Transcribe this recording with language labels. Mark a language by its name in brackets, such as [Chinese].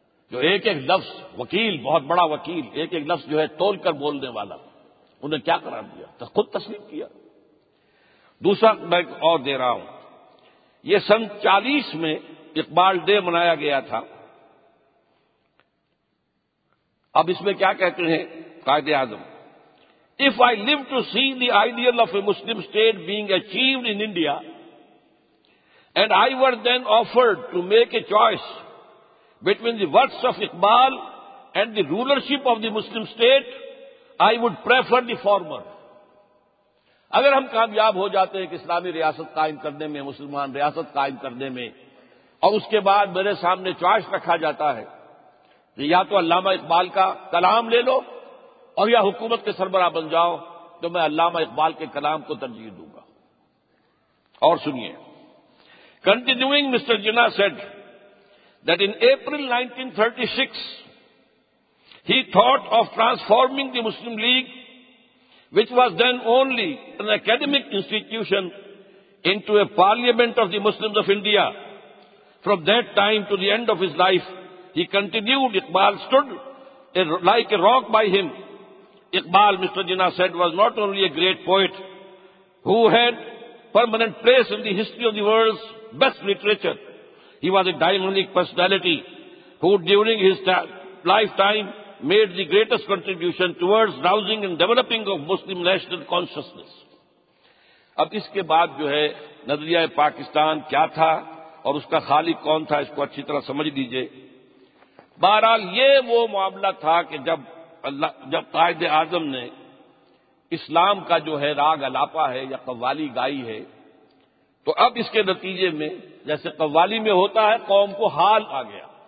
[Urdu] جو ایک ایک لفظ وکیل بہت بڑا وکیل ایک ایک لفظ جو ہے تول کر بولنے والا انہیں کیا قرار دیا تو خود تسلیم کیا. دوسرا میں اور دے رہا ہوں. یہ سن 40 میں اقبال ڈے منایا گیا تھا. اب اس میں کیا کہتے ہیں Quaid Azam. [English] If I live to see the ideal of a Muslim state being achieved in India and I were then offered to make a choice between the works of Iqbal and the rulership of the Muslim state, I would prefer the former. [Urdu] اگر ہم کامیاب ہو جاتے ہیں کہ اسلامی ریاست قائم کرنے میں مسلمان ریاست قائم کرنے میں اور اس کے بعد میرے سامنے چوائس رکھا جاتا ہے کہ یا تو علامہ اقبال کا کلام لے لو اور یا حکومت کے سربراہ بن جاؤ تو میں علامہ اقبال کے کلام کو ترجیح دوں گا. اور سنیے. [English] Continuing, Mr. Jinnah said that in April 1936, he thought of transforming the Muslim League, which was then only an academic institution, into a parliament of the Muslims of India. From that time to the end of his life, he continued. Iqbal stood like a rock by him. Iqbal, Mr. Jinnah said, was not only a great poet who had permanent place in the history of the world's best literature, he was a dynamic personality who during his lifetime made the greatest contribution towards rousing and developing of Muslim national consciousness. [Urdu] اب اس کے بعد جو ہے نظریہ پاکستان کیا تھا اور اس کا خالق کون تھا اس کو اچھی طرح سمجھ دیجئے. بہرحال یہ وہ معاملہ تھا کہ جب قائد اعظم نے اسلام کا جو ہے راگ الاپا ہے یا قوالی گائی ہے تو اب اس کے نتیجے میں جیسے قوالی میں ہوتا ہے قوم کو حال آ گیا.